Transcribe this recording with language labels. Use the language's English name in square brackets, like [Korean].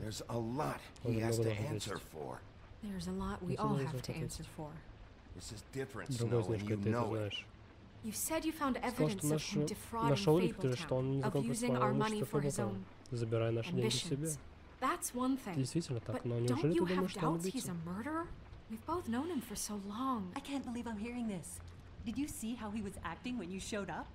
[English] There's a lot he has to answer for. There's a lot we all have to answer for. This is different, Snow, and you know it. You said you found evidence of him defrauding Fabletown, of using our money for his own ambitions. That's one thing. [Russian] Действительно так, но неужели ты думаешь, что он убийца? [English] He's a murderer? We've both known him for so long. I can't believe I'm hearing this. Did you see how he was acting when you showed up?